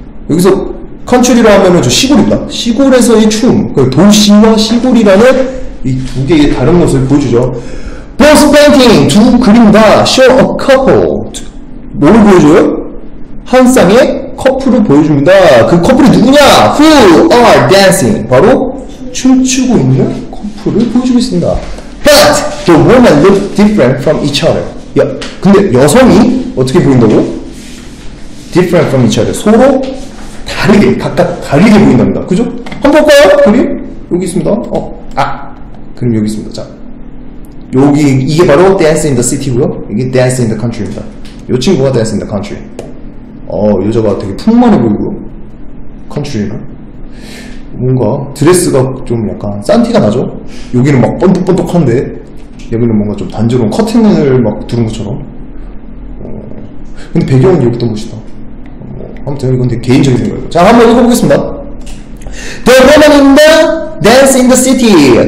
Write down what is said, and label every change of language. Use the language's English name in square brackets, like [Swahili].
[Korean] 여기서 컨츄리로 하면은 저 시골입니다. 시골에서의 춤, 그 도시와 시골이라는 이 두 개의 다른 것을 보여주죠. [English] Both painting [Korean] 두 그림다. [English] Show a couple. [Korean] 뭘 보여줘요? 한 쌍의 커플을 보여줍니다. 그 커플이 누구냐? [English] Who are dancing? [Korean] 바로 춤추고 있는 커플을 보여주고 있습니다. [English] But the woman looks different from each other. [Korean] 야, 근데 여성이 어떻게 보인다고? [English] Different from each other. [Korean] 서로 다르게, 각각 다르게 보인답니다. 그죠? 한번 볼까요? 그림? 여기 있습니다. 어, 아! 그림 여기 있습니다. 자. 여기, 이게 바로 Dance in the City고요. 이게 Dance in the Country입니다. 요 친구가 Dance in the Country. 어, 여자가 되게 풍만해 보이고요. Country는. 뭔가 드레스가 좀 약간 싼티가 나죠? 여기는 막 번뜩번뜩한데. 여기는 뭔가 좀 단조로운 커튼을 막 두른 것처럼. 근데 배경은 여기도 멋있다. 아무튼 이건 되게 개인적인 생각이에요. 자, 한번 읽어보겠습니다. [English] The woman in the dance in the city.